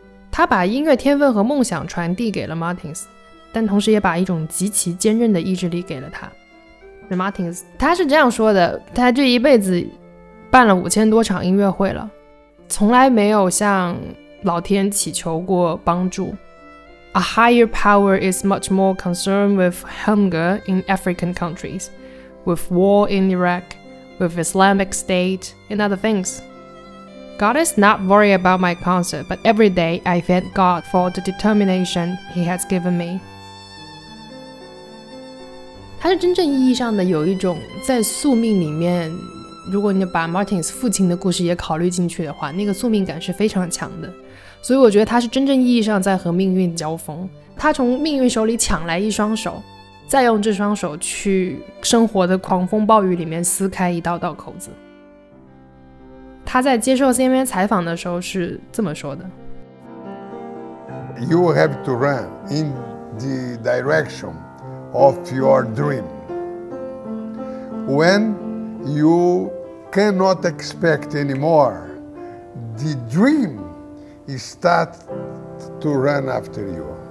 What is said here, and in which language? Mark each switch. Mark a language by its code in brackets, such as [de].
[zh] 他把音乐天分和梦想传递给了 Martins，但同时也把一种极其坚韧的意志力给了他。 Martins 他是这样说的，他这一辈子办了5000多场音乐会了，从来没有向老天祈求过帮助。 [en] A higher power is much more concerned with hunger in African countries, with war in Iraq, with Islamic State and other things. God is not worried about my concert, but every day I thank God for the determination he has given me. [zh] 他是真正意义上的有一种在宿命里面，如果你把 Martins 父亲的故事也考虑进去的话，那个宿命感是非常强的。所以我觉得他是真正意义上在和命运交锋，他从命运手里抢来一双手，再用这双手去生活的狂风暴雨里面撕开一道道口子。他在接受 CNN 采访的时候是这么说的， [en] You have to run in the directionOf your dream. When you cannot expect anymore, the dream starts to run after you.